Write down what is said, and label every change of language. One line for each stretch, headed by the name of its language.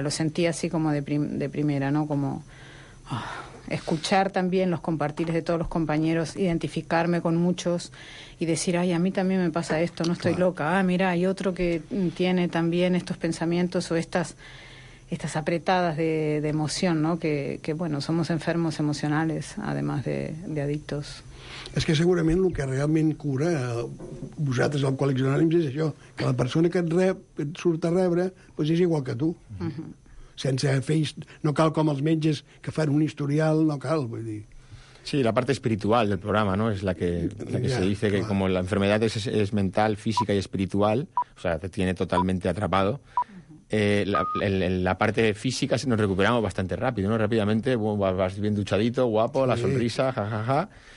Spanish: Lo sentí así como de primera, ¿no? Como escuchar también los compartires de todos los compañeros, identificarme con muchos y decir, ay, a mí también me pasa esto, no estoy loca. Ah, mira, hay otro que tiene también estos pensamientos o estas apretadas de emoción, ¿no? Que bueno, somos enfermos emocionales, además de adictos.
Catalan: És que segurament el que realment cura vosaltres, el Alcohòlics Anònims, és això, que la persona que et rep, et surt a rebre, doncs és igual que tu. Uh-huh. sense fer, no cal com els metges que fan un historial, no cal, vull dir.
Spanish: Sí, la parte espiritual del programa, ¿no? Es la que ya, se dice claro. Que como la enfermedad es mental, física y espiritual, o sea, te tiene totalmente atrapado, la parte física nos recuperamos bastante rápido, ¿no? Rápidamente, vas bien duchadito, guapo, sí. La sonrisa, jajaja. Ja, ja.